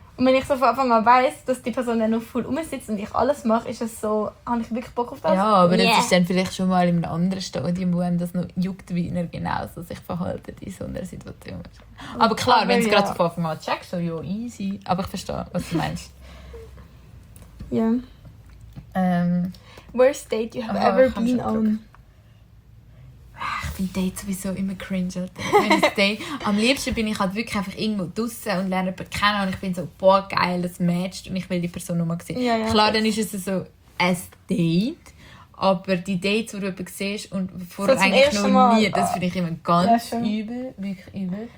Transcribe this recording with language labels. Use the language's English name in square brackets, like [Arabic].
[German] Und wenn ich so von Anfang an weiss, dass die Person dann noch voll rumsitzt und ich alles mache, ist es so, habe ich wirklich Bock auf das? Ja, aber yeah, das ist dann vielleicht schon mal in einem anderen Stadium, wo einem das noch juckt, wie er genau so sich verhält in so einer Situation. Aber klar, wenn du es ja gerade von Anfang an checkst, so, ja, easy. Aber ich verstehe, was du meinst. Ja. Yeah. [English] Worst date you have ever been on? [German] Ich finde Date sowieso immer cringe. Date. Am liebsten bin ich halt wirklich einfach irgendwo draussen und lerne jemanden kennen und ich bin so, boah, geil, das matcht und ich will die Person nochmal sehen. Ja, ja, klar, dann ist es so ein Date, aber die Dates, wo du jemanden siehst und vorher so eigentlich noch mal nie, das finde ich immer ganz ja, übel, wirklich übel.